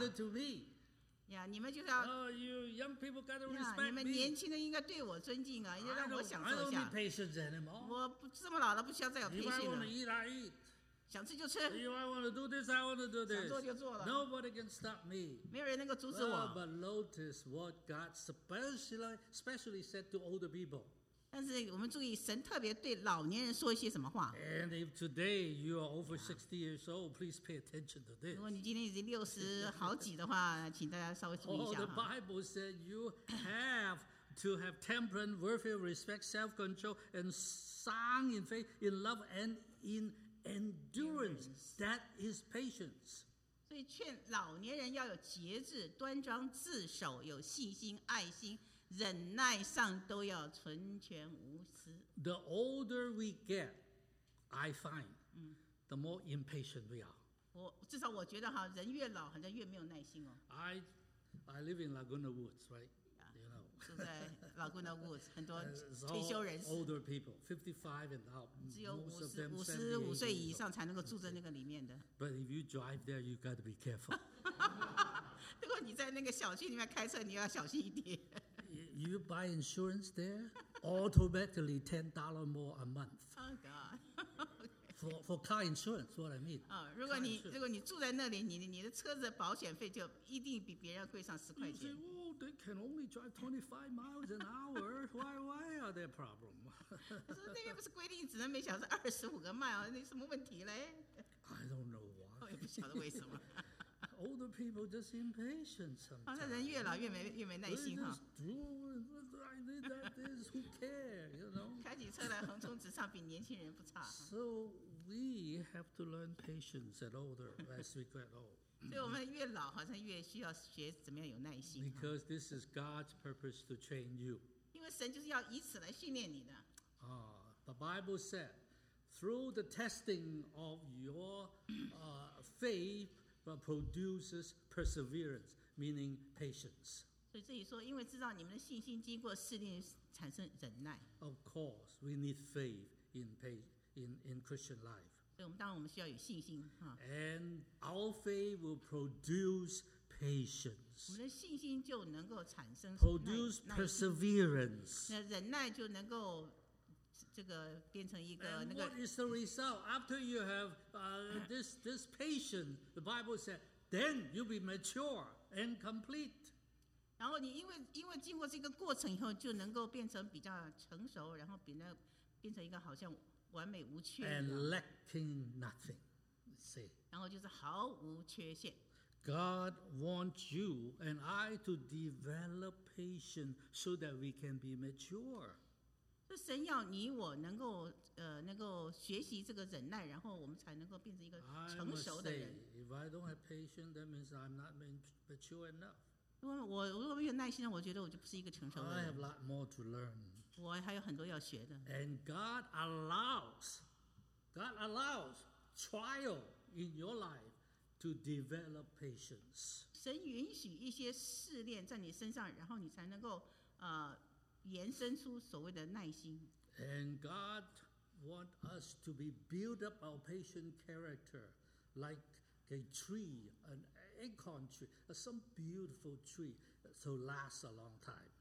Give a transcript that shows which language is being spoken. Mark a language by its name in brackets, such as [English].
[English] You guys have to cater to me. [Chinese] 呀，你们就是要。 [English] You young people gotta respect me. [Chinese] 你们年轻人应该对我尊敬啊，应该让我享受一下。 [English] I don't need patience anymore. [Chinese] 我不这么老了，不需要再有耐心了。 [English] If I want to eat, I eat. [Chinese] 想吃就吃。 [English] If I want to do this, I want to do this. [Chinese] 想做就做了。 [English] Nobody can stop me. [Chinese] 没有人能够阻止我。 [English] But notice what God specially said to older people. [Chinese] 但是我们注意，神特别对老年人说一些什么话。 [English] And if today you are over 60 years old, please pay attention to this. [Chinese] 如果你今天已经六十好几的话，请大家稍微注意一下。 [English] Oh, the Bible said you have to have temperance, warfare, respect, self-control, and sound in faith, in love, and in endurance. That is patience. [Chinese] 所以劝老年人要有节制、端庄、自守、有信心、爱心。忍耐上都要纯全无私。 [English] The older we get, I find, the more impatient we are. [Chinese] 我至少我觉得哈，人越老好像越没有耐心哦。 [English] I live in Laguna Woods, right? Yeah, you know. [Chinese] 住在 Laguna Woods, 很多退休人士。 [English] Older people, 55 and up. [Chinese] 只有五岁以上才能够住在那个里面的。 [English] But if you drive there, you got to be careful. [Chinese] 如果你在那个小区里面开车，你要小心一点。 [English] You buy insurance there, automatically $10 more a month. Oh God. Okay. For car insurance, what I mean. [Chinese] 如果你住在那里，你的车子保险费就一定比别人贵上十块钱。 [English] You say, oh, they can only drive 25 miles an hour. Why are there problems? [Chinese] 说那边不是规定只能每小时25个迈哦，那什么问题嘞 [English] ？I don't know why. [Chinese] 我也不晓得为什么。 [English] Older people just impatient sometimes. [Chinese] 人越老越没耐心哈。 [English] Who cares, you know? [Chinese] 开起车来横冲直撞，比年轻人不差。 [English] So we have to learn patience at older as we get old. [Chinese] 所以我们越老好像越需要学怎么样有耐心。 [English] Because this is God's purpose to train you. [Chinese] 因为神就是要以此来训练你的。 [English] The Bible said, through the testing of your faith. But produces perseverance, meaning patience. [Chinese] 所以这里说，因为知道你们的信心经过试炼，产生忍耐。 [English] Of course, we need faith in Christian life. [Chinese] 所以我们当然我们需要有信心哈。 [English] And our faith will produce patience. [Chinese] 我们的信心就能够产生耐。 [English] Produce perseverance. [Chinese] 那忍耐就能够。这个变成一个那个。 [English] And what is the result? After you have this patience, the Bible said, then you'll be mature and complete. [Chinese] 然后你因为经过这个过程以后，就能够变成比较成熟，然后变成一个好像完美无缺。 [English] And lacking nothing, see. [Chinese] 然后就是毫无缺陷。 [English] God wants you and I to develop patience so that we can be mature. [Chinese] 神要你我能够学习这个忍耐，然后我们才能够变成一个成熟的人。 [English] If I don't have patience, that means I'm not mature enough. [Chinese] 因为我如果没有耐心，我觉得我就不是一个成熟的人。 [English] I have a lot more to learn. [Chinese] 我还有很多要学的。 [English] And God allows trial in your life to develop patience. [Chinese] 神允许一些试炼在你身上，然后你才能够延伸出所谓的耐心。 [English] And God want us to be build up our patient character like a tree, an acorn tree, some beautiful tree, so last a long time.